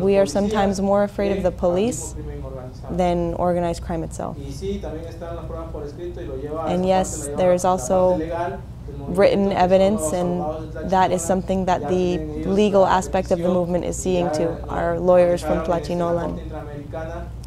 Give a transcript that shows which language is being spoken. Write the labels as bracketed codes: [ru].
[en] we are sometimes more afraid of the police than organized crime itself. [es] Y sí, también está en la prueba por escrito y lo lleva [en] and yes, there is also written evidence, and that is something that the legal aspect of the movement is seeing to our lawyers from Tlachinolan.